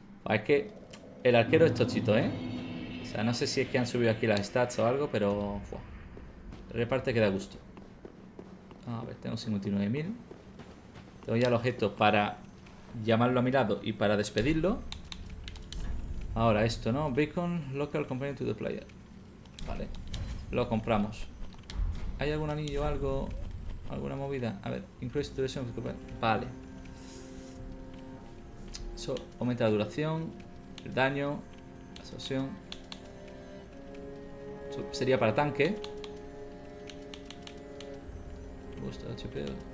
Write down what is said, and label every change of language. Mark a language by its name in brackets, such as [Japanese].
[Spanish] Es que el arquero es tochito, ¿eh? O sea, no sé si es que han subido aquí las stats o algo, pero... Fua. Reparte que da gusto. A ver, tengo 59.000. Tengo ya el objeto para llamarlo a mi lado y para despedirlo. Ahora esto, ¿no? [English] Beacon Local Companion to the Player. [Spanish] Vale. Lo compramos. ¿Hay algún anillo, algo? ¿Alguna movida? A ver. [English] Increase duration of the company. [Spanish] Vale. Eso aumenta la duración. El daño. La absorción. Eso sería para tanque. [English] Boost HP.